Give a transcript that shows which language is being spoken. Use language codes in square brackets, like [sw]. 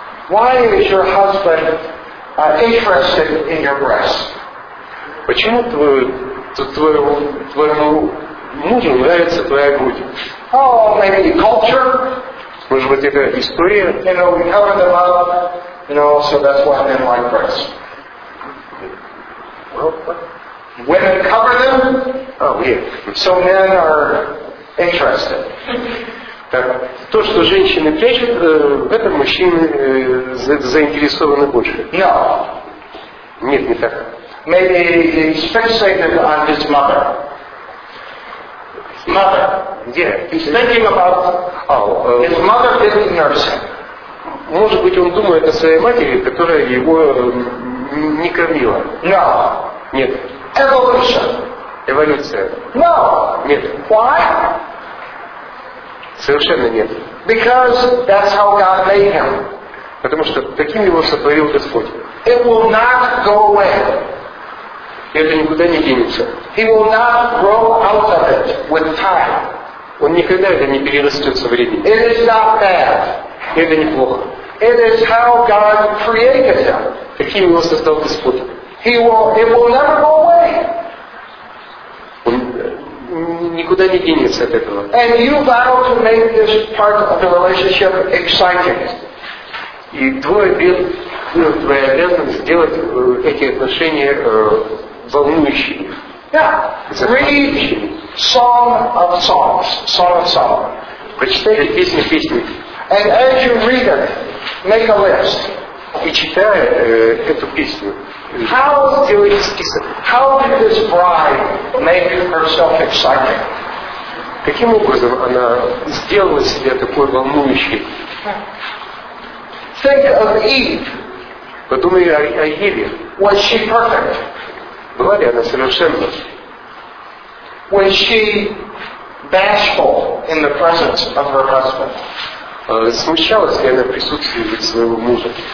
[en] Why is your husband interested in your breast? [ru] Почему твоему мужу нравится твоя грудь? [en] Oh, maybe culture. [ru] Может быть, это история? [en] You know, we cover them up. You know, so that's why men like breasts. Well, women cover them. Oh, yeah. So men are interested. [ru] Так, то, что женщины прячут, в этом мужчины заинтересованы больше. [en] No. [ru] Нет, не так. [en] Maybe he's fixated on his mother. Mother. Yeah. He's thinking about his mother didn't nurse him. [ru] Может быть, он думает о своей матери, которая его не кормила. [en] No. [ru] Нет. [en] Evolution. [ru] Эволюция. [en] No. [ru] Нет. [en] Why? [ru] Совершенно нет. [en] Because that's how God made him. [ru] Потому что таким его сотворил Господь. [en] It will not go away. [ru] Это никуда не денется. [en] He will not grow out of it with time. [ru] Он никогда это не перерастет со временем. [en] It is not bad. [ru] Это неплохо. [en] It is how God created him. [ru] Каким его создал Господь. [en] It will never go away. [ru] Он никуда не денется от этого. [en] And you vow to make this part of the relationship exciting. [ru] И твоя обязанность сделать эти отношения волнующие. [en] Yeah. Read Song of Songs. Song of Song. [ru] Прочитайте песни песни. [en] And as you read it, make a list. [ru] И читая эту песню, сделайте список. [en] How did this bride make herself exciting? [ru] Каким образом она сделала себя такой волнующей? [en] Think of Eve. [ru] Подумай о Еве. [en] Was she perfect? [ru] Была ли она совершенна? [en] Was she bashful in the presence of her husband? [ru] Смущалась ли она в присутствии своего мужа?